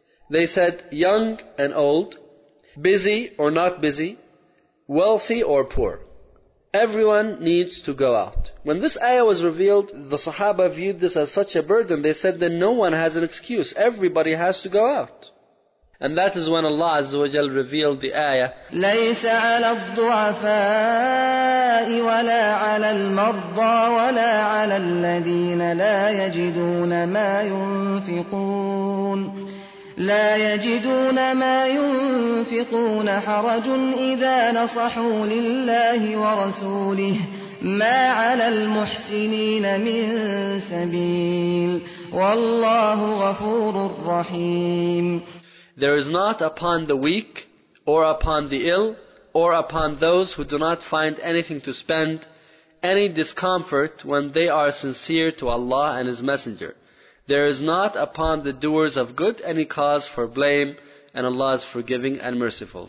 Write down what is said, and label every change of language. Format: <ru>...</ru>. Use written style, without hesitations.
<en>They said, young and old, busy or not busy, wealthy or poor, everyone needs to go out. When this ayah was revealed, the Sahaba viewed this as such a burden. They said that no one has an excuse. Everybody has to go out. And that is when Allah Azza wa Jal revealed the ayah.</en> <ar>لَيْسَ عَلَى الضُّعَفَاءِ وَلَا عَلَى الْمَرْضَى وَلَا عَلَى الَّذِينَ لَا يَجِدُونَ مَا يُنْفِقُونَ لا يجدون ما ينفقون حرج إذا نصحوا لله ورسوله ما على المحسنين من سبيل والله غفور رحيم.</ar> <en>There is not upon the weak or upon the ill or upon those who do not find anything to spend any discomfort when they are sincere to Allah and His Messenger. There is not upon the doers of good any cause for blame, and Allah is forgiving and merciful.</en>